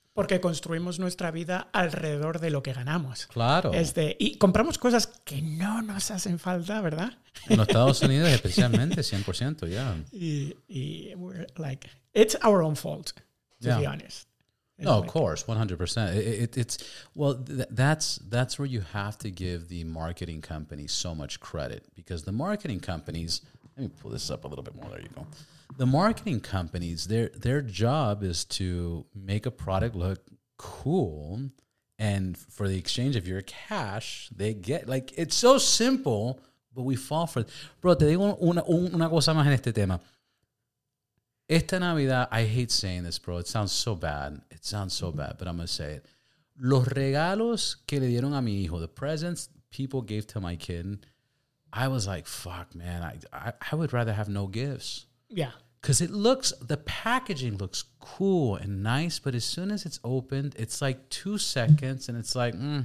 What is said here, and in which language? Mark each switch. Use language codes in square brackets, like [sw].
[es] Porque construimos nuestra vida alrededor de lo que ganamos. Claro. Y compramos cosas que no nos hacen falta, ¿verdad? En los Estados Unidos especialmente, 100%, ya. [en] Yeah. Y we're like, it's our own fault, to be honest. No, of course, 100%. That's where you have to give the marketing company so much credit, because the marketing companies, let me pull this up a little bit more. There you go. The marketing companies, their job is to make a product look cool, and for the exchange of your cash, they get, like, it's so simple, but we fall for it. [es] Bro, te digo una cosa más en este tema. Esta Navidad, [en] I hate saying this, bro. It sounds so bad, but I'm going to say it. [es] Los regalos que le dieron a mi hijo, [en] the presents people gave to my kid, I was like, fuck, man, I would rather have no gifts. Yeah. Because the packaging looks cool and nice, but as soon as it's opened, it's like 2 seconds, and it's like,